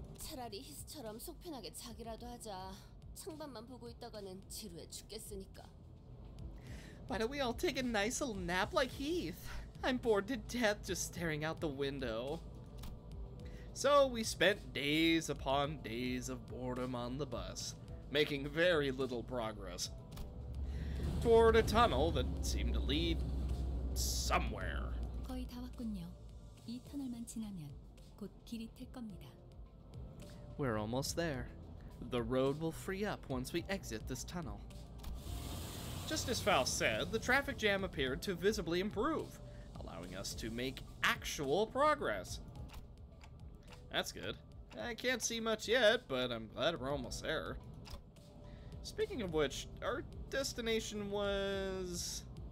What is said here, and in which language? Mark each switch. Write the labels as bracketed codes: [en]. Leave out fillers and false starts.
[ko] 차라리 히스처럼 속편하게 자기라도 하자. 창밤만 보고 있다가는 지루해 죽겠으니까. [en] Why don't we all take a nice little nap like Heath? I'm bored to death just staring out the window. So we spent days upon days of boredom on the bus, making very little progress. toward a tunnel that seemed to lead somewhere. [ko] 거의 다 왔군요. 이 터널만 지나면 곧 길이 뜰 겁니다. [en] We're almost there. The road will free up once we exit this tunnel. Just as Faust said, the traffic jam appeared to visibly improve, allowing us to make actual progress. That's good. I can't see much yet, but I'm glad we're almost there. Speaking of which, our destination was...